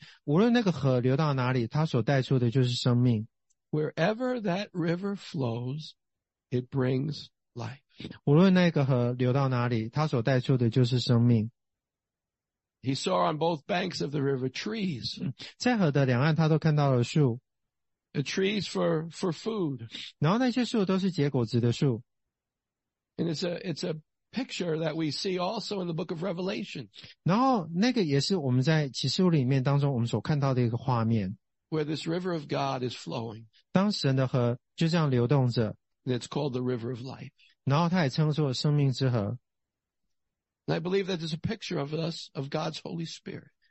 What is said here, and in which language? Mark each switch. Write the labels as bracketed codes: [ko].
[zh] 所以你们如果继续往下读的话，你会读到这一节。无论那个河流到哪里，它所带出的就是生命。 [en] Wherever that river flows, it brings life. [zh] 无论那个河流到哪里，它所带出的就是生命。 [en] He saw on both banks of the river trees. [zh] 在河的两岸，他都看到了树。 [en] The trees for food. [zh] 然后那些树都是结果子的树。 [en] And it's a picture that we see also in the book of Revelation. [zh] 然后那个也是我们在启示录里面当中我们所看到的一个画面。 [en] Where this river of God is flowing. [zh] 当神的河就这样流动着。 [en] It's called the river of life. [zh] 然后它也称作生命之河。 [en] And I believe that there's a picture of us, of God's Holy Spirit.